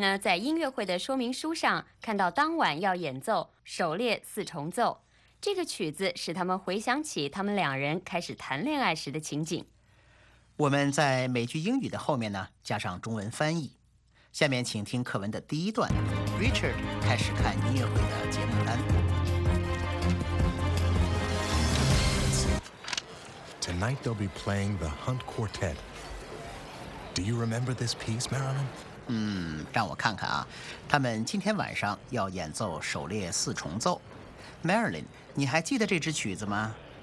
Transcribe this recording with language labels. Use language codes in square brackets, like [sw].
[zh] 呢，在音乐会的说明书上看到当晚要演奏首列四重奏，这个曲子使他们回想起他们两人开始谈恋爱时的情景。我们在每句英语的后面呢，加上中文翻译。下面请听课文的第一段 ，Richard 开始看音乐会的节目单。 [en] Tonight they'll be playing the Hunt Quartet. Do you remember this piece, Marilyn? [zh] 让我看看啊，他们今天晚上要演奏首列四重奏。 Marilyn， 你还记得这支曲子吗